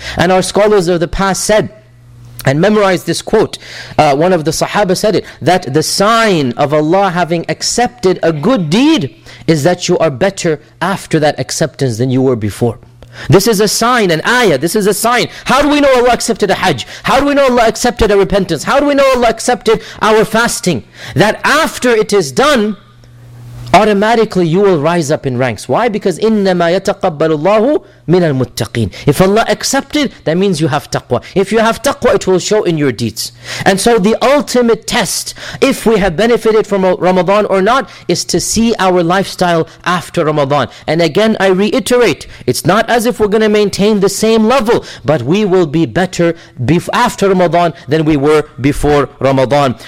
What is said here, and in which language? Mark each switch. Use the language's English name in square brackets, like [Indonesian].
[English] And our scholars of the past said, and memorized this quote, one of the Sahaba said it, that the sign of Allah having accepted a good deed is that you are better after that acceptance than you were before. This is a sign, an ayah, this is a sign. How do we know Allah accepted a hajj? How do we know Allah accepted a repentance? How do we know Allah accepted our fasting? That after it is done, automatically you will rise up in ranks. Why? Because [Arabic] إِنَّمَا يَتَقَبَّلُ اللَّهُ مِنَ الْمُتَّقِينَ. [English] If Allah accepted, that means you have taqwa. If you have taqwa, it will show in your deeds. And so the ultimate test, if we have benefited from Ramadan or not, is to see our lifestyle after Ramadan. And again, I reiterate, it's not as if we're going to maintain the same level, but we will be better after Ramadan than we were before Ramadan.